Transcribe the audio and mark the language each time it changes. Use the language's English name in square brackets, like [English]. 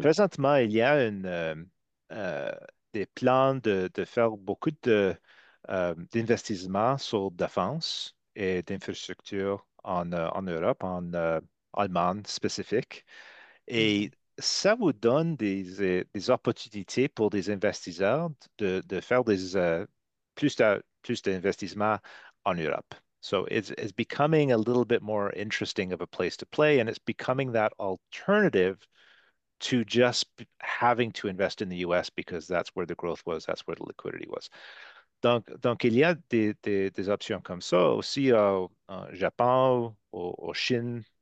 [French] Présentement, il y a des plans de faire beaucoup d'investissements sur défense et d'infrastructures en Europe, Allemande spécifique. Et ça vous donne des opportunités pour des investisseurs de faire plus d'investissements en Europe. [English] So it's becoming a little bit more interesting of a place to play, and it's becoming that alternative to just having to invest in the US because that's where the growth was, that's where the liquidity was. [French] Donc il y a des options comme ça aussi au Japon, au Chine.